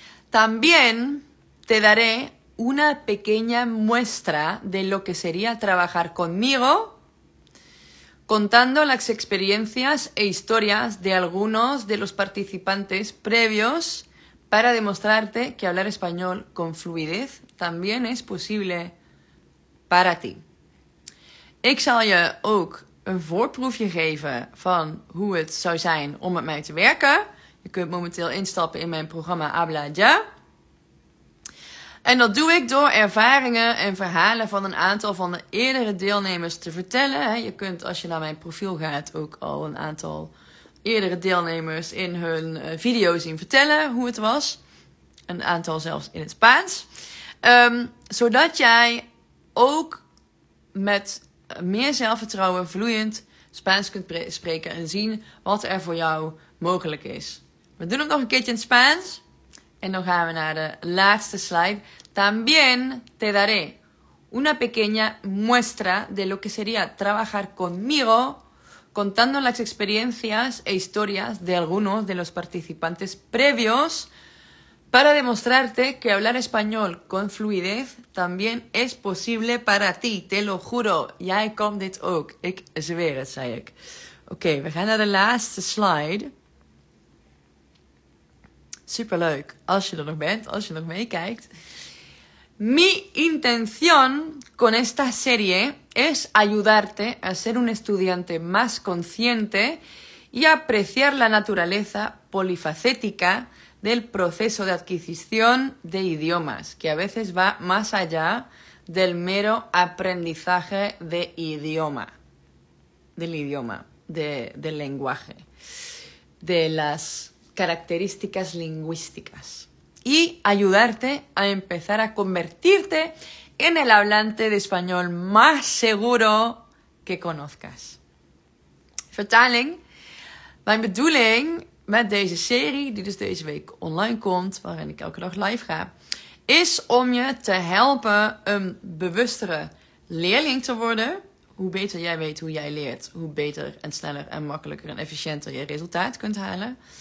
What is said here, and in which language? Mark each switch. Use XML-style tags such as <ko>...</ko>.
<es>También te daré una pequeña muestra de lo que sería trabajar conmigo, contando las experiencias e historias de algunos de los participantes previos para demostrarte que hablar español con fluidez también es posible para ti.</es> <nl>Ik zal je ook een voorproefje geven van hoe het zou zijn om met mij te werken. Je kunt momenteel instappen in mijn programma Habla Ya. En dat doe ik door ervaringen en verhalen van een aantal van de eerdere deelnemers te vertellen. Je kunt, als je naar mijn profiel gaat, ook al een aantal eerdere deelnemers in hun video zien vertellen hoe het was. Een aantal zelfs in het Spaans. Zodat jij ook met meer zelfvertrouwen vloeiend Spaans kunt spreken en zien wat er voor jou mogelijk is. We doen het nog een keertje in Spaans. En dan gaan we naar de laatste slide.</nl> <es>También te daré una pequeña muestra de lo que sería trabajar conmigo, contando las experiencias e historias de algunos de los participantes previos para demostrarte que hablar español con fluidez también es posible para ti. Te lo juro,</es> <nl>jij kan dit ook. Ik zweer het, zei ik. Oké, we gaan naar de laatste slide. Superleuk, als je er nog bent, als je nog meekijkt.</nl> <es>Mi intención con esta serie es ayudarte a ser un estudiante más consciente y apreciar la naturaleza polifacética del proceso de adquisición de idiomas, que a veces va más allá del mero aprendizaje de idioma, del lenguaje, de las características lingüísticas y ayudarte a empezar a convertirte en el hablante de español más seguro que conozcas.</es> <nl>Vertaling. Mijn bedoeling met deze serie, die dus deze week online komt, waarin ik elke dag live ga, is om je te helpen een bewustere leerling te worden. Hoe beter jij weet hoe jij leert, hoe beter en sneller en makkelijker en efficiënter je resultaat kunt halen.</nl>